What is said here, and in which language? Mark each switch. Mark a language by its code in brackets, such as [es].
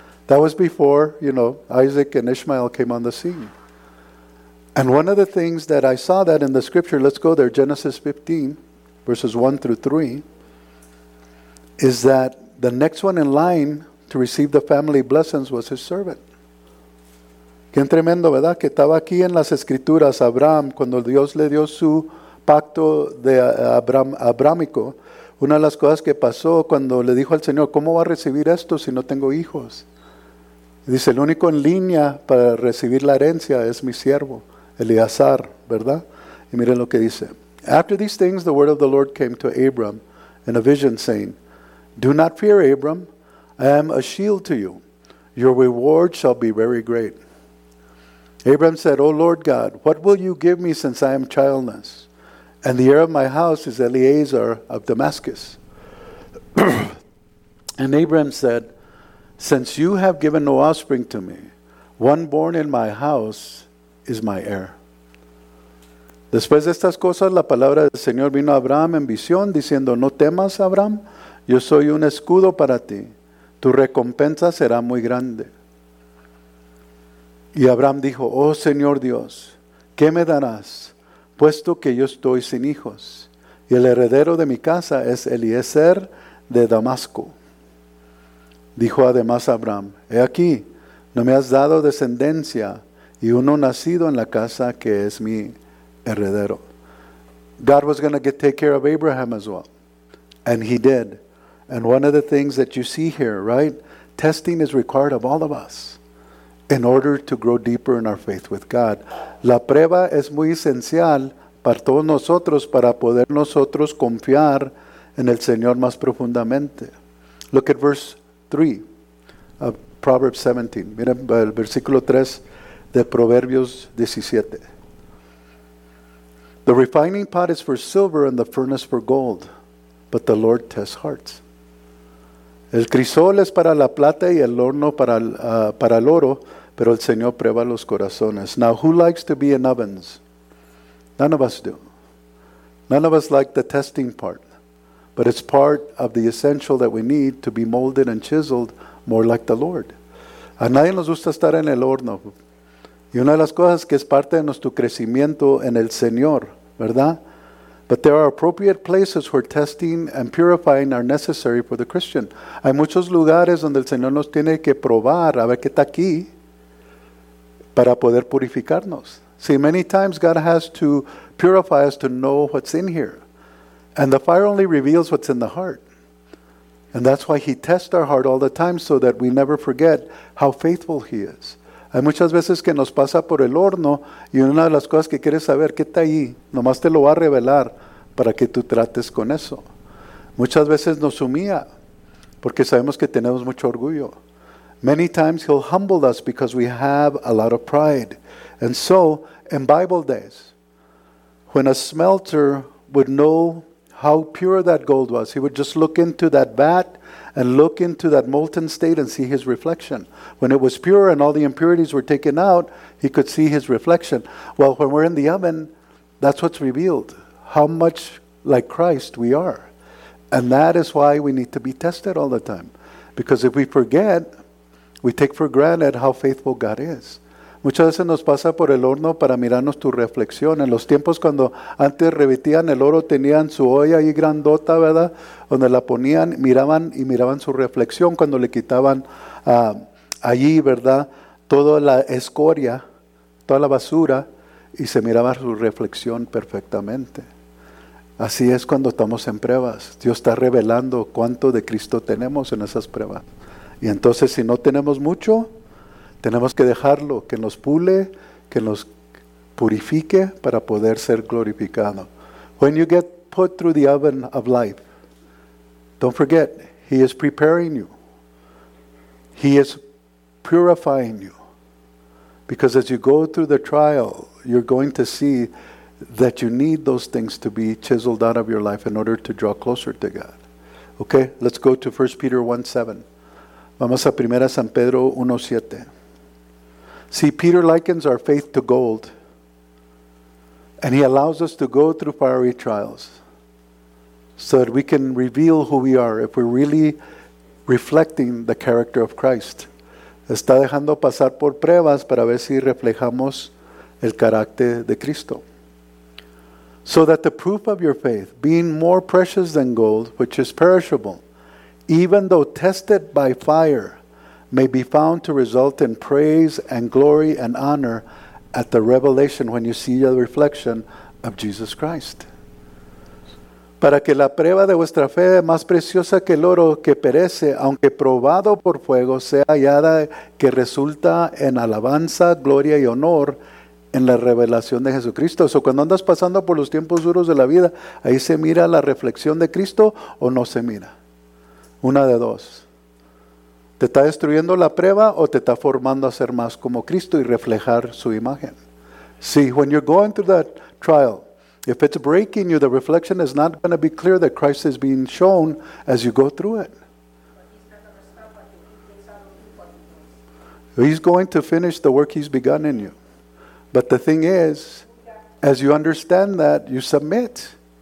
[en] That was before, you know, Isaac and Ishmael came on the scene. And one of the things that I saw that in the scripture, let's go there, Genesis 15, verses 1 through 3, is that the next one in line to receive the family blessings was his servant. [es] Qué tremendo, ¿verdad? Que estaba aquí en las escrituras Abraham cuando Dios le dio su pacto de Abrahámico. una de las cosas que pasó cuando le dijo al Señor, ¿cómo va a recibir esto si no tengo hijos? Dice, el único en línea para recibir la herencia es mi siervo, Eleazar, ¿verdad? Y miren lo que dice. [en] After these things, the word of the Lord came to Abram in a vision, saying, Do not fear, Abram. I am a shield to you. Your reward shall be very great. Abram said, O Lord God, what will you give me since I am childless? And the heir of my house is Eleazar of Damascus. And Abram said, Since you have given no offspring to me, one born in my house is my heir. [es] Después de estas cosas, la palabra del Señor vino a Abraham en visión, diciendo, No temas, Abraham, yo soy un escudo para ti. Tu recompensa será muy grande. Y Abraham dijo, Oh Señor Dios, ¿qué me darás, puesto que yo estoy sin hijos? Y el heredero de mi casa es Eliezer de Damasco. Dijo además Abraham, He aquí, no me has dado descendencia, y uno nacido en la casa que es mi heredero. [en] God was going to take care of Abraham as well. And he did. And one of the things that you see here, right? Testing is required of all of us in order to grow deeper in our faith with God. [es] La prueba es muy esencial para todos nosotros para poder nosotros confiar en el Señor más profundamente. [en] Look at verse 3 of Proverbs 17. [es] Miren el versículo 3 de Proverbios 17. [en] The refining pot is for silver and the furnace for gold, but the Lord tests hearts. [es] El crisol es para la plata y el horno para el oro, pero el Señor prueba los corazones. [en] Now, who likes to be in ovens? None of us do. None of us like the testing part, but it's part of the essential that we need to be molded and chiseled more like the Lord. [es] A nadie nos gusta estar en el horno. Y una de las cosas que es parte de nuestro crecimiento en el Señor, ¿verdad? [en] But there are appropriate places where testing and purifying are necessary for the Christian. [es] Hay muchos lugares donde el Señor nos tiene que probar a ver qué está aquí para poder purificarnos. [en] See, many times God has to purify us to know what's in here. And the fire only reveals what's in the heart. And that's why he tests our heart all the time so that we never forget how faithful he is. [es] Hay muchas veces que nos pasa por el horno y una de las cosas que quieres saber, ¿qué está ahí? Nomás te lo va a revelar para que tú trates con eso. Muchas veces nos humilla porque sabemos que tenemos mucho orgullo. [en] Many times he'll humble us because we have a lot of pride. And so, in Bible days, when a smelter would know how pure that gold was, he would just look into that vat and look into that molten state and see his reflection. When it was pure and all the impurities were taken out, he could see his reflection. Well, when we're in the oven, that's what's revealed, how much like Christ we are. And that is why we need to be tested all the time. Because if we forget, we take for granted how faithful God is. [es] Muchas veces nos pasa por el horno para mirarnos tu reflexión. En los tiempos cuando antes revestían el oro, tenían su olla ahí grandota, ¿verdad? Donde la ponían, miraban y miraban su reflexión cuando le quitaban allí, ¿verdad? Toda la escoria, toda la basura, y se miraba su reflexión perfectamente. Así es cuando estamos en pruebas. Dios está revelando cuánto de Cristo tenemos en esas pruebas. Y entonces, si no tenemos mucho, tenemos que dejarlo, que nos pule, que nos purifique para poder ser glorificado. [en] When you get put through the oven of life, don't forget, He is preparing you. He is purifying you. Because as you go through the trial, you're going to see that you need those things to be chiseled out of your life in order to draw closer to God. Okay, let's go to 1 Peter 1:7. [es] Vamos a 1 Pedro 1:7. [en] See, Peter likens our faith to gold, and he allows us to go through fiery trials so that we can reveal who we are if we're really reflecting the character of Christ. [es] Está dejando pasar por pruebas para ver si reflejamos el carácter de Cristo. [en] So that the proof of your faith, being more precious than gold, which is perishable, even though tested by fire, may be found to result in praise and glory and honor at the revelation when you see the reflection of Jesus Christ. [es] Para que la prueba de vuestra fe, más preciosa que el oro que perece, aunque probado por fuego, sea hallada que resulta en alabanza, gloria y honor en la revelación de Jesucristo. Eso, cuando andas pasando por los tiempos duros de la vida, ahí se mira la reflexión de Cristo o no se mira. Una de dos. ¿Te está destruyendo la prueba o te está formando a ser más como Cristo y reflejar su imagen? [en] Sí, when you're going through that trial, if it's breaking you, the reflection is not going to be clear that Christ is being shown as you go through it. He's going to finish the work he's begun in you. But the thing is, as you understand that, you submit.